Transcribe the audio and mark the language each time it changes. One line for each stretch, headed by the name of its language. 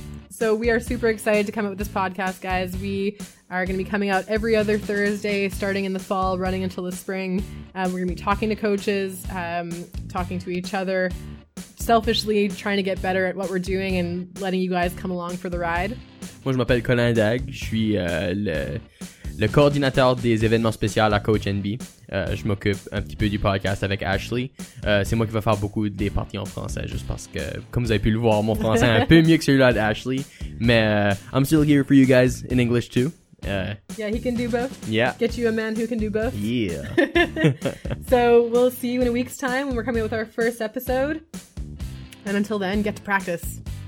English: So we are super excited to come up with this podcast, guys. We are going to be coming out every other Thursday, starting in the fall, running until the spring. We're going to be talking to coaches, talking to each other, selfishly trying to get better at what we're doing and letting you guys come along for the ride.
French: Moi, je m'appelle Colin Dagg. Je suis le coordinateur des événements spéciaux à Coach NB. Je m'occupe un petit peu du podcast avec Ashley. C'est moi qui vais faire beaucoup des parties en français, juste parce que, comme vous avez pu le voir, mon français est un peu mieux que celui-là d'Ashley.
English: Mais I'm still here for you guys in English too. Yeah, he can do both. Yeah. Get you a man who can do both. Yeah. So we'll see you in a week's time when we're coming up with our first episode. And until then, get to practice.